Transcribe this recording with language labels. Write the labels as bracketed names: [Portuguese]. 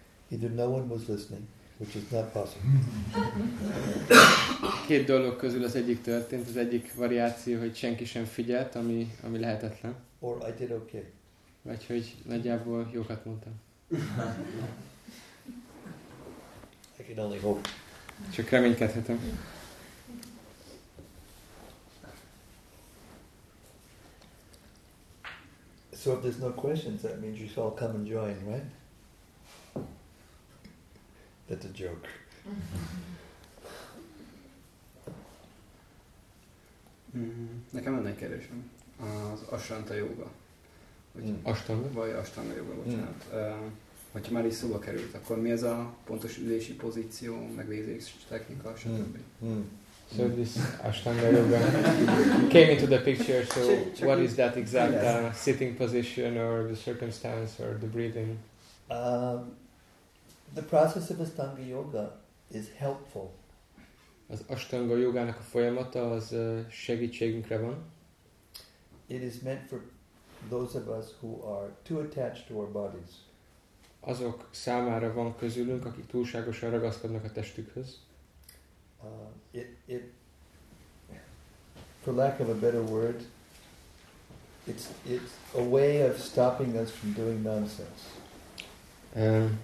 [English] Either no one was listening, which is not possible. [Hungarian] Két dolog közül az egyik történt, az egyik variáció, hogy senki sem figyelt, ami lehetetlen. [English] Or I did okay. [Hungarian] Vagy hogy nagyjából jókat mondtam. [English] I can only hope. [Hungarian] Csak reménykedhetem. [English] So if there's no questions, that means you all come and join, right? That's a joke. [Hungarian] Nekem lenne egy kérdésem. Az Ashtanga jóga. Ashtanga? Vagy Ashtanga jóga, bocsánat. Hogyha már is szóba került, akkor mi ez a pontos ülési pozíció, megvégzés technika, stb. [English] So this Ashtanga yoga came into the picture, so what is that exact sitting position or the circumstance or the breathing? The process of Ashtanga yoga is helpful. [Hungarian] Az Ashtanga yogának a folyamata az segítségünkre van. [English] It is meant for those of us who are too attached to our bodies. [Hungarian] Azok számára van közülünk, akik túlságosan ragaszkodnak a testükhöz. [English] It, for lack of a better word, it's a way of stopping us from doing nonsense.